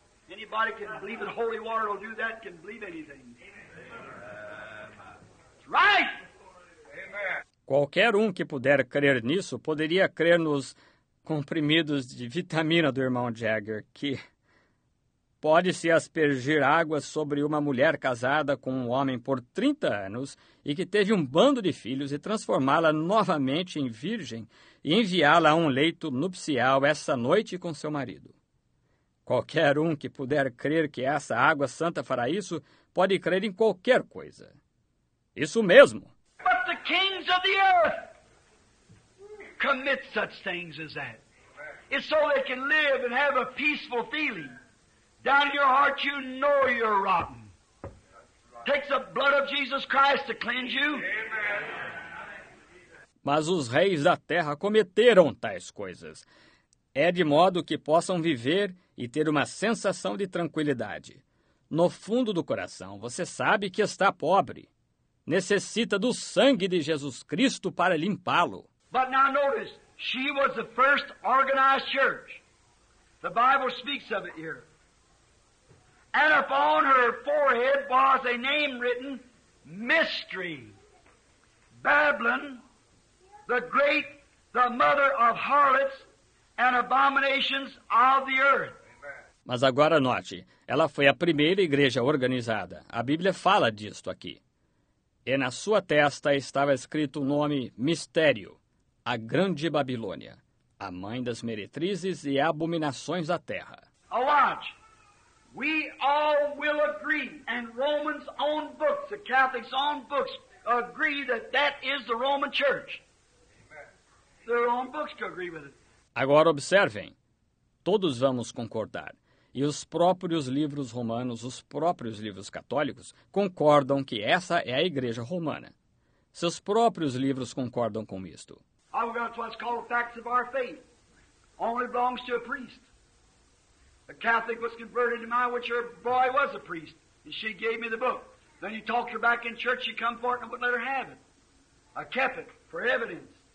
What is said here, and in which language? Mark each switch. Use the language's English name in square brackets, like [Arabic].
[English] Anybody can believe that holy water will do that, can believe anything. Right! [Portuguese] Qualquer um que puder crer nisso poderia crer nos comprimidos de vitamina do irmão Jagger, que pode-se aspergir água sobre uma mulher casada com um homem por 30 anos e que teve um bando de filhos e transformá-la novamente em virgem e enviá-la a um leito nupcial essa noite com seu marido. Qualquer um que puder crer que essa água santa fará isso pode crer em qualquer coisa. Isso mesmo! [English] Kings of the earth commit such things as that. It's so they can live and have a peaceful feeling. Down in your heart you know you're rotten. Takes the blood of Jesus Christ to cleanse you. [Portuguese] Mas os reis da terra cometeram tais coisas. É de modo que possam viver e ter uma sensação de tranquilidade. No fundo do coração, você sabe que está pobre. Necessita do sangue de Jesus Cristo para limpá-lo. [English] But now notice, she was the first organized church. The Bible speaks of it here. And upon her forehead was a name written, Mystery. Babylon, the great, the mother of harlots and abominations of the earth. [Portuguese] Mas agora note, ela foi a primeira igreja organizada. A Bíblia fala disto aqui. E na sua testa estava escrito o nome Mistério, a Grande Babilônia, a mãe das meretrizes e abominações da terra. [English] Watch. We all will agree, and Romans' own books, the Catholics' own books, agree that that is the Roman Church. Their own books agree with it. [Portuguese] Agora observem, todos vamos concordar. E os próprios livros romanos, os próprios livros católicos, concordam que essa é a Igreja Romana. Seus próprios livros concordam com isto. [English] I've got what's called facts of our faith. Only belongs to a priest. A Catholic was converted to my witch, her boy was a priest. And she gave me the book. Then he talked her back in church, she come for it and wouldn't let her have it. I kept it for evidence.